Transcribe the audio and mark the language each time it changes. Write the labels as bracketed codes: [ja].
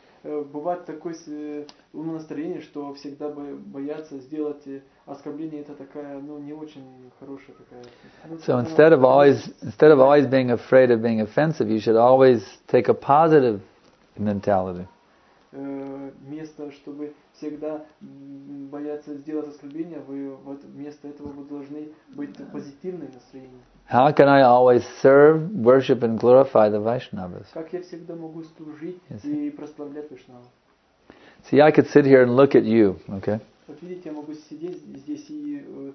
[ru] Бывает такое умное настроение, что всегда бояться сделать оскорбление. Это такая, ну, не очень хорошая такая. [en] So instead of always being afraid of being offensive, you should always take a positive mentality. [ru] Вместо чтобы всегда бояться сделать оскорбление, вы вот вместо этого вы должны быть позитивное настроение. [en] How can I always serve, worship, and glorify the Vaishnavas? [ru] Как я всегда могу служить и прославлять Вайшнава? [en] See, I could sit here and look at you, okay? [ru] Вот видите, я могу сидеть здесь и